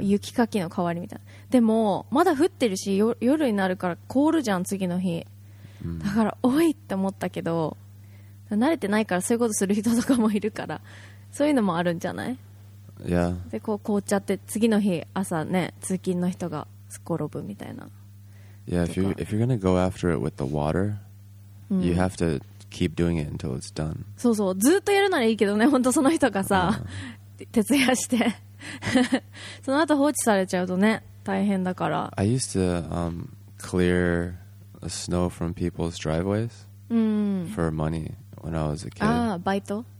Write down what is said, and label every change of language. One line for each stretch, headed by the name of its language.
Japanese: 雪かきの代わりみたいな。でもまだ降ってるし、夜になるから凍るじゃん次の日、うん、だからおいって思ったけど、慣れてないからそういうことする人とかもいるから、そういうのもあるんじゃない。いや、でこう凍っちゃって次の日朝ね、通勤の人がすっ転ぶみたいな。いや、
English: if you're gonna go after it with the water、うん、you have toKeep doing it until it's done.
Japanese: そうそう、ずっとやるならいいけどね、本当その人がさ、徹夜してその後放置されちゃうとね、大変だから。
English: I used to clear snow from people's driveways for money when I was a kid.
Japanese: ああ、バイト。